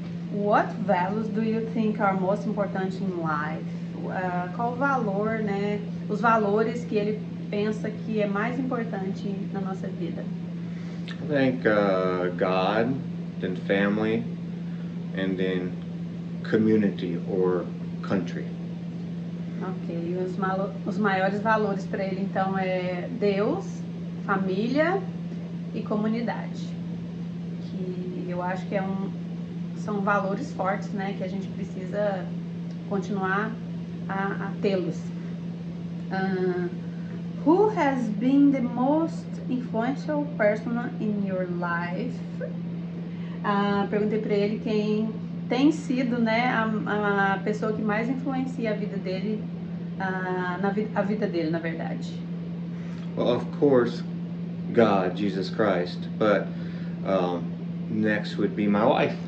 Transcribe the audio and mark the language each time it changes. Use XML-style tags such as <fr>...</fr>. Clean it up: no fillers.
<en>What values do you think are most important in life?</en> <pt>Qual o valor, né? Os valores que ele pensa que é mais importante na nossa vida?</pt> <en>I think God, then family, and then community or country.</en> <pt>Ok, os maiores valores para ele então é Deus, família e comunidade. Que eu acho que são valores fortes, né, que a gente precisa continuar a tê-los.</pt> <en>Who has been the most influential person in your life?</en> <pt>Perguntei para ele quem tem sido, né, a pessoa que mais influencia a vida dele, na verdade.</pt> <en>Well, of course, God, Jesus Christ, but next would be my wife.</en>